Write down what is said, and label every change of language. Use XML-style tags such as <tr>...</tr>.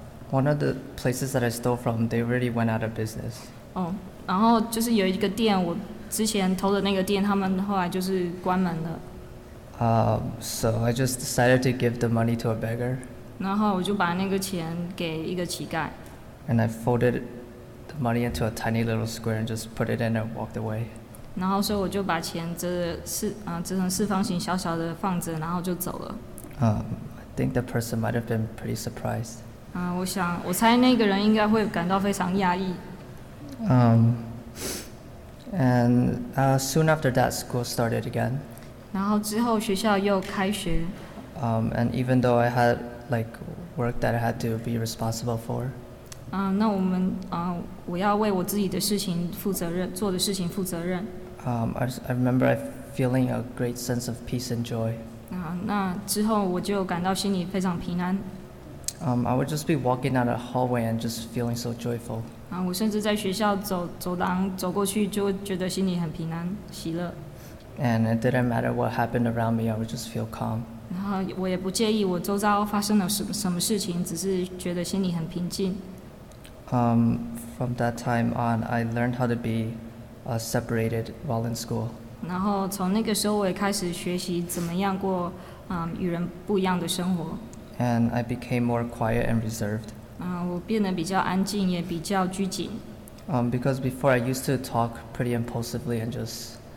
<en>One of the places that I stole from, they already went out of business.</en> <zh>然后就是有一个店我。之前偷的那个店，他们后来就是关门了。</zh> <en>So I just decided to give the money to a beggar.</en> <zh>然后我就把那个钱给一个乞丐。</zh> <en>And I folded the money into a tiny little square and just put it in and walked away.</en> <zh>然后所以我就把钱折成四方形，小小的放着，然后就走了。</zh> <en>I think the person might have been pretty surprised.</en> <zh>我猜那个人应该会感到非常讶异。</zh> <en>And soon after that, school started again.</en> <zh>然后之后学校又开学。</zh> <en>And even though I had like work that I had to be responsible for.</en> <zh>那我们我要为我自己的事情负责任，做的事情负责任。</zh> <en>I remember I feeling a great sense of peace and joy.</en> <zh>那之后我就感到心里非常平安。</zh> <en>I would just be walking down a hallway and just feeling so joyful.</en> <zh>我甚至在学校走廊走过去，就觉得心里很平安、喜乐。</zh> <en>And it didn't matter what happened around me, I would just feel calm.</en> <zh>然后我也不介意我周遭发生了什么事情，只是觉得心里很平静。</zh> <en>From that time on, I learned how to be separated while in school.</en> <zh>然后从那个时候，我也开始学习怎么样过与人不一样的生活。</zh> <en>And I became more quiet and reserved.</en> <zh>我变得比较安静，也比较拘谨。</zh> <en>Because before I used to talk pretty impulsively and just,</en>